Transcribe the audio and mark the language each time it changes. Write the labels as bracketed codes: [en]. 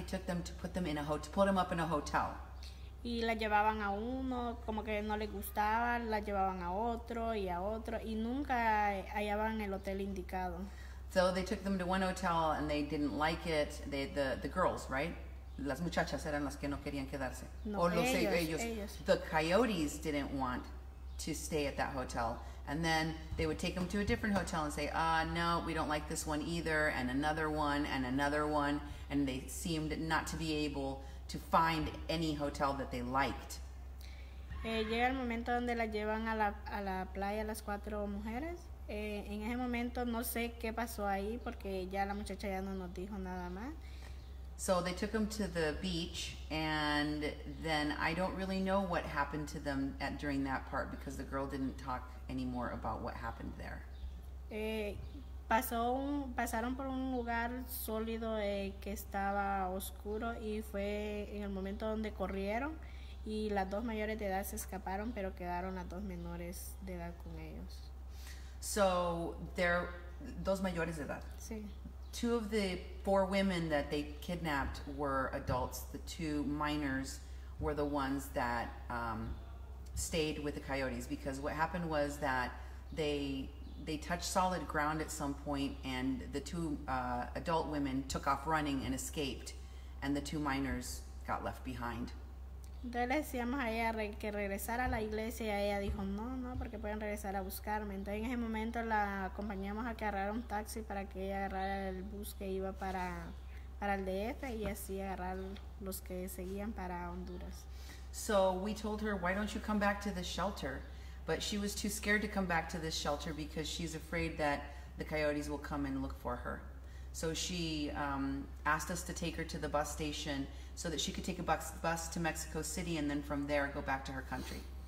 [en] When they left, they took them to put them up in a hotel. [es] Y la llevaban a uno, como que no les gustaba, la llevaban a otro, y nunca hallaban el hotel indicado. [en] So they took them to one hotel and they didn't like it. The girls, right? [es] Las muchachas eran las que no querían quedarse. No, ellos. [en] The coyotes didn't want to stay at that hotel, and then they would take them to a different hotel and say, no, we don't like this one either, and another one, and another one, and they seemed not to be able to find any hotel that they liked. [es] Llega el momento donde la llevan a la playa las cuatro mujeres. En ese momento no sé qué pasó ahí porque ya la muchacha ya no nos dijo nada más. [en] So they took them to the beach, and then I don't really know what happened to them during that part because the girl didn't talk anymore about what happened there. Pasaron por un lugar sólido que estaba oscuro, y fue en el momento donde corrieron y las dos mayores de edad se escaparon, pero quedaron las dos menores de edad con ellos. So they're [es] dos mayores de edad. Sí. [en] Two of the four women that they kidnapped were adults. The two minors were the ones that stayed with the coyotes, because what happened was that they touched solid ground at some point, and the two adult women took off running and escaped, and the two minors got left behind. [es] Entonces le decíamos a ella que regresara a la iglesia y ella dijo no, porque pueden regresar a buscarme. Entonces en ese momento la acompañamos a que agarrara un taxi para que ella agarrara el bus que iba para el DF y así agarrar los que seguían para Honduras. [en] So we told her, why don't you come back to the shelter? But she was too scared to come back to this shelter because she's afraid that the coyotes will come and look for her. So she asked us to take her to the bus station so that she could take a bus to Mexico City and then from there go back to her country.